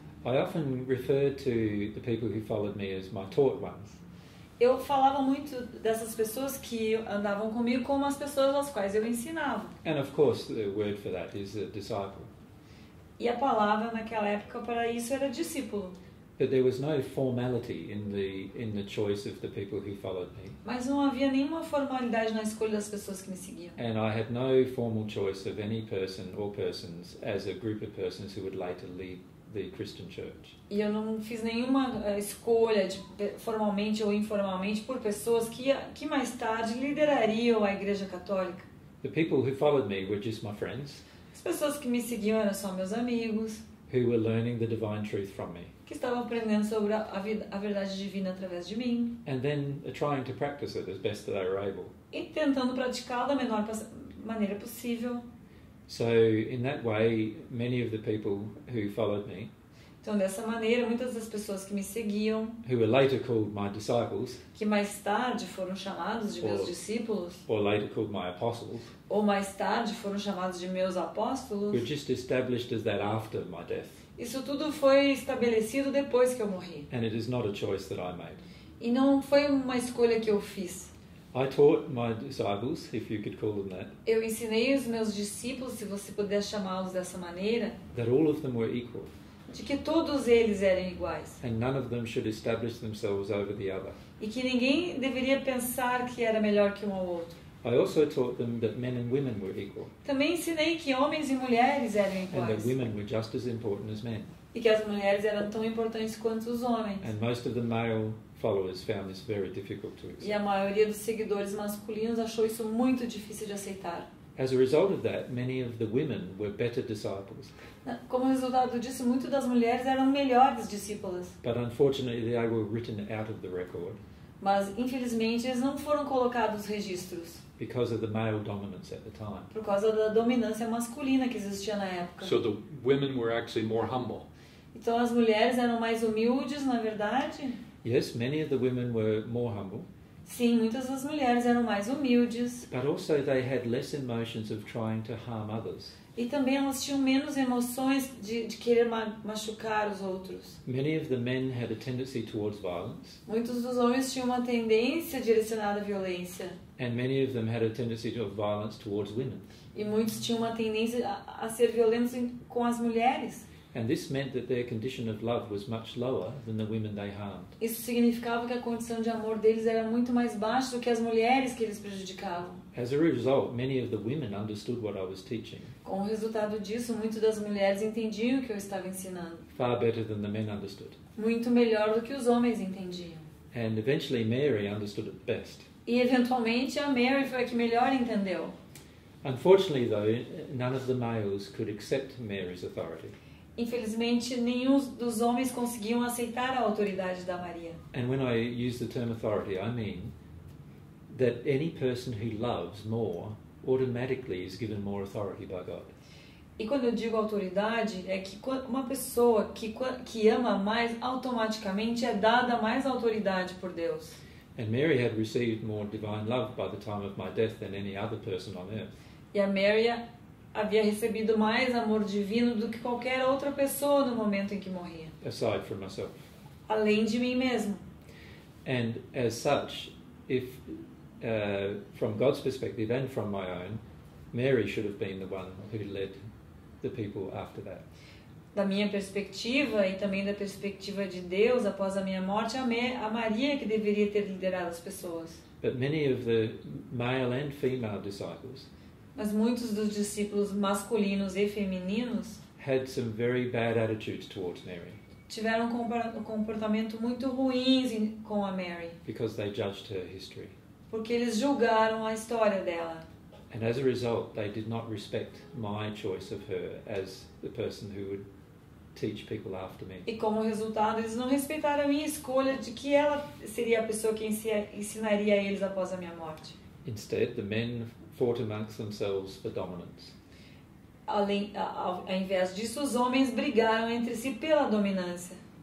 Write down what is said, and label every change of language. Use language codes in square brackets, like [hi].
[en] I often refer to the people who followed me as my taught ones. [pt] Eu falava muito dessas pessoas que andavam comigo como as pessoas às quais eu ensinava. [en] And of course, the word for that is a disciple. [pt] E a palavra naquela época para isso era discípulo. [en] But there was no formality in the choice of the people who followed me. [pt] Mas não havia nenhuma formalidade na escolha das pessoas que me seguiam. [en] And I had no formal choice of any person or persons as a group of persons who would later lead the Christian church. [pt] E eu não fiz nenhuma escolha de, formalmente ou informalmente por pessoas que mais tarde liderariam a Igreja Católica. [en] The people who followed me were just my friends. [pt] As pessoas que me seguiam eram só meus amigos. [en] Who were learning the divine truth from me. [pt] Que estavam aprendendo sobre a verdade divina através de mim. [en] And then trying to practice it as best that they were able. [pt] E tentando praticá-lo da menor maneira possível. [en] So in that way, many of the people who followed me, [pt] então dessa maneira, muitas das pessoas que me seguiam, [en] who were later called my disciples, [pt] que mais tarde foram chamados de meus discípulos, [en] or later called my apostles, [pt] ou mais tarde foram chamados de meus apóstolos, [en] were just established as that after my death. [pt] Isso tudo foi estabelecido depois que eu morri. [en] And it is not a choice that I made. [pt] E não foi uma escolha que eu fiz. [en] I taught my disciples, if you could call them that. [pt] Eu ensinei os meus discípulos, se você puder chamá-los dessa maneira. [en] That all of them were equal. [pt] De que todos eles eram iguais. [en] And none of them should establish themselves over the other. [pt] E que ninguém deveria pensar que era melhor que um ao outro. [en] I also taught them that men and women were equal. [pt] Também ensinei que homens e mulheres eram iguais. [en] And that women were just as important as men. [pt] E que as mulheres eram tão importantes quanto os homens. [en] And most of the male followers found this very difficult to accept. [pt] E a maioria dos seguidores masculinos achou isso muito difícil de aceitar. [en] As a result of that, many of the women were better disciples. [pt] Como resultado disso, muitas das mulheres eram melhores discípulas. [en] But unfortunately, they were written out of the record. [pt] Mas infelizmente, eles não foram colocados nos registros. [en] Because of the male dominance at the time. [pt] Por causa da dominância masculina que existia na época. [en] So the women were actually more humble. [pt] Então as mulheres eram mais humildes, na verdade. [en] Yes, many of the women were more humble. [pt] Sim, muitas das mulheres eram mais humildes. [en] But also they had less emotions of trying to harm others. [pt] E também elas tinham menos emoções de querer machucar os outros. [en] Many of the men had a tendency towards violence. [pt] Muitos dos homens tinham uma tendência direcionada à violência. [en] And many of them had a tendency of violence towards women. [pt] E muitos tinham uma tendência a ser violentos com as mulheres. [en] And this meant that their condition of love was much lower than the women they harmed. [pt] Isso significava que a condição de amor deles era muito mais baixa do que as mulheres que eles prejudicavam. [en] As a result, many of the women understood what I was teaching. [pt] Com o resultado disso, muitas das mulheres entendiam o que eu estava ensinando. [en] Far better than the men understood. [pt] Muito melhor do que os homens entendiam. [en] And eventually Mary understood it best. [pt] E eventualmente a Mary foi a que melhor entendeu. [en] Unfortunately though, none of the males could accept Mary's authority. [pt] Infelizmente, nenhum dos homens conseguiam aceitar a autoridade da Maria. [en] And when I use the term authority, I mean that any person who loves more automatically is given more authority by God. [pt] E quando eu digo autoridade, é que uma pessoa que ama mais automaticamente é dada mais autoridade por Deus. [en] And Mary had received more divine love by the time of my death than any other person on earth. [pt] E a Maria havia recebido mais amor divino do que qualquer outra pessoa no momento em que morria. [en] Aside from myself. [pt] Além de mim mesmo. [en] And as such, if from God's perspective and from my own, Mary should have been the one who led the people after that. [pt] Da minha perspectiva e também da perspectiva de Deus, após a minha morte, a Maria que deveria ter liderado as pessoas. [en] But many of the male and female disciples. [pt] Mas muitos dos discípulos masculinos e femininos [en] had some very bad attitudes towards Mary. [pt] Tiveram um comportamento muito ruim com a Mary. [en] Because they judged her history. [pt] Porque eles julgaram a história dela. [en] And as a result, they did not respect my choice of her as the person who would teach people after me. [pt] E como resultado, eles não respeitaram a minha escolha de que ela seria a pessoa que ensinaria a eles após a minha morte. [en] Instead, the men fought amongst themselves for dominance. [pt] Ao invés disso, os homens brigaram entre si pela dominância.